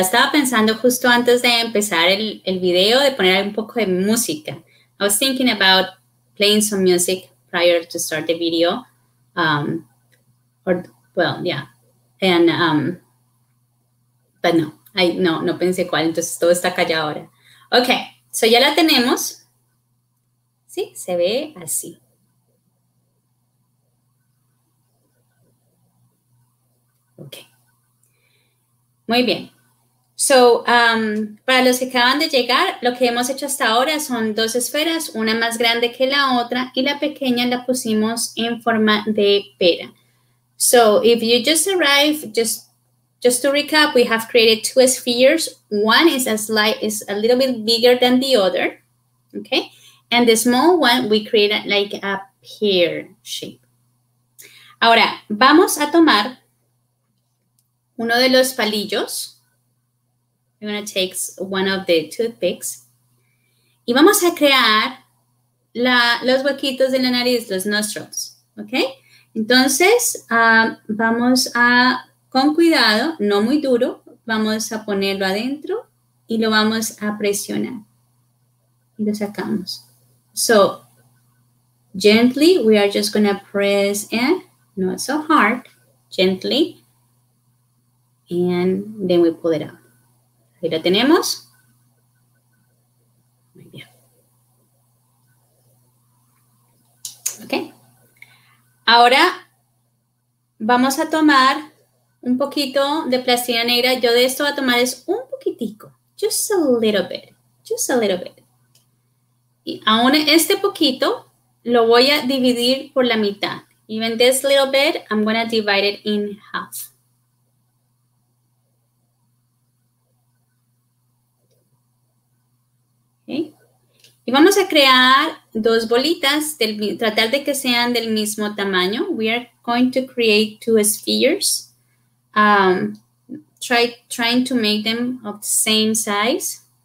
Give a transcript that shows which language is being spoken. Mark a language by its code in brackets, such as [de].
[es] Estaba pensando justo antes de empezar el video de poner un poco de música. [en] I was thinking about playing some music prior to start the video. [es] No pensé cuál, entonces todo está callado ahora. Ok, so ya la tenemos. Sí, se ve así. Ok. Muy bien. So, para los que acaban de llegar, lo que hemos hecho hasta ahora son dos esferas, una más grande que la otra, y la pequeña la pusimos en forma de pera. [en] So, if you just arrived, just to recap, we have created two spheres. One is a little bit bigger than the other, okay? And the small one, we created like a pear shape. [es] Ahora, vamos a tomar uno de los palillos. [en] We're going to take one of the toothpicks. [es] Y vamos a crear los huequitos de la nariz, los nostrils. ¿Ok? Entonces, vamos a, con cuidado, no muy duro, vamos a ponerlo adentro y lo vamos a presionar. Y lo sacamos. [en] So, gently, we are just going to press in, not so hard, gently. And then we pull it out. [es] Ahí la tenemos. Muy bien. Ok. Ahora vamos a tomar un poquito de plastilina negra. Yo de esto voy a tomar es un poquitico. [en] Just a little bit. [es] Just a little bit. Y aún este poquito lo voy a dividir por la mitad. [en] Even this little bit, I'm going to divide it in half. [es] Y vamos a crear dos bolitas, tratar de que sean del mismo tamaño. [en] We are going to create two spheres. Trying to make them of the same size.